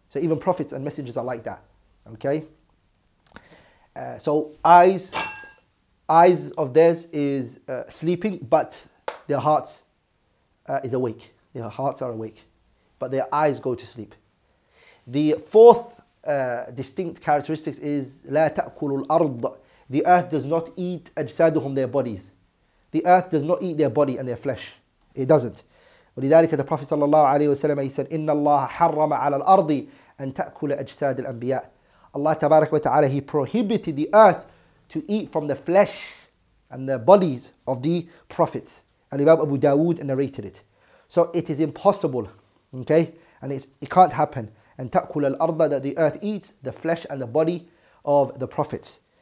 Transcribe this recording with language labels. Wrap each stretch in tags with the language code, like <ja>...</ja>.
<en>So even Prophets and Messengers are like that. Okay? So eyes of theirs is sleeping, but their hearts is awake. Their hearts are awake, but their eyes go to sleep. The fourth distinct characteristics is</en> <ar>لا تأكل الأرض.</ar> <en>The earth does not eat</en> <ar>أجسادهم,</ar> <en>their bodies. The earth does not eat their body and their flesh. It doesn't.</en> <ar>ولذلك</ar> <en>the Prophet</en> <ar>صلى الله عليه وسلم</ar> <en>he said</en> <ar>إن الله حرم على الأرض أن تأكل أجساد الأنبياء.</ar> <en>Allah</en> <ar>تبارك وتعالى</ar> <en>he prohibited the earth to eat from the flesh and the bodies of the prophets. And Imam Abu Dawood narrated it. So it is impossible, okay? And it can't happen. And</en> <ar>تأكل الأرض,</ar> <en>that the earth eats the flesh and the body of the prophets.</en>